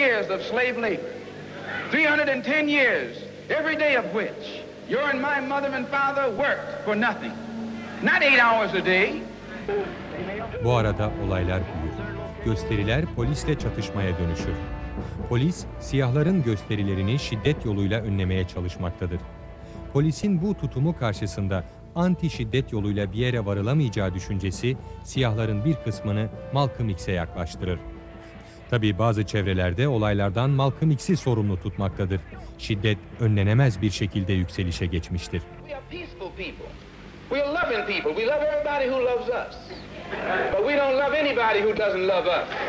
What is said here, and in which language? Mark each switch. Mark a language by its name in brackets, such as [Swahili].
[English] Of slave labor, 310 years, every day of which your and my mother and father worked for nothing, not 8 hours a day. [Turkish] Bu arada olaylar büyür. Gösteriler polisle çatışmaya dönüşür. Polis, siyahların gösterilerini şiddet yoluyla önlemeye çalışmaktadır. Polisin bu tutumu karşısında anti şiddet yoluyla bir yere varılamayacağı düşüncesi siyahların bir kısmını Malcolm X'e yaklaştırır. Tabii bazı çevrelerde olaylardan Malcolm X'i sorumlu tutmaktadır. Şiddet önlenemez bir şekilde yükselişe geçmiştir. [English] We are peaceful people. We are loving people. We love everybody who loves us. But we don't love anybody who doesn't love us.